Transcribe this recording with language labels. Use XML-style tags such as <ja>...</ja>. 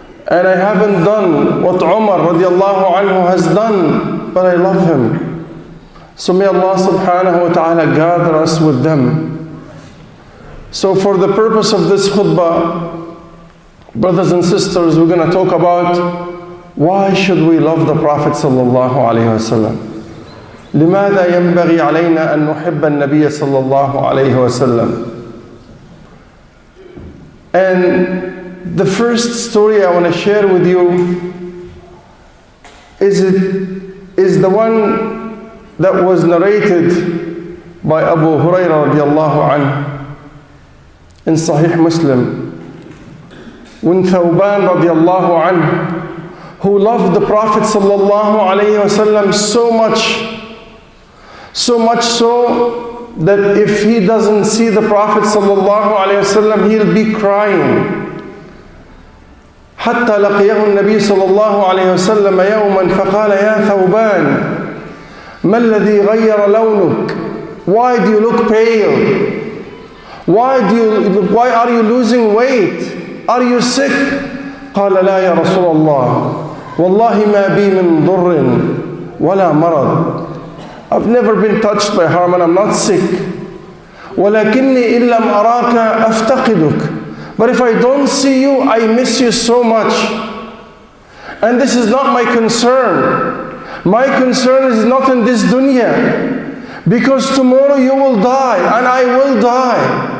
<en>And I haven't done what Umar radiallahu anhu has done, but I love him. So may Allah subhanahu wa ta'ala gather us with them." So for the purpose of this khutbah, brothers and sisters, we're going to talk about why should we love the Prophet sallallahu alaihi wasallam?</en> <ar>لماذا ينبغي علينا أن نحب النبي صلى الله عليه وسلم? And</ar> <en>the first story I want to share with you is the one that was narrated by Abu Hurairah radiallahu anhu in Sahih Muslim. When Thawban radiallahu anhu, who loved the Prophet sallallahu alayhi wasallam so much so that if he doesn't see the Prophet sallallahu alayhi wasallam, he'll be crying.</en> <ar>حتى لقيه النبي صلى الله عليه وسلم يوما فقال يا ثوبان ما الذي غير لونك؟</ar> <en>Why do you look pale? Why are you losing weight? Are you sick?</en> <ar>قال لا يا رسول الله والله ما بي من ضر ولا مرض.</ar> <en>I've never been touched by harm and I'm not sick.</en> <ar>ولكني إن لم أراك أفتقدك.</ar> <en>But if I don't see you, I miss you so much. And this is not my concern. My concern is not in this dunya. Because tomorrow you will die and I will die.</en>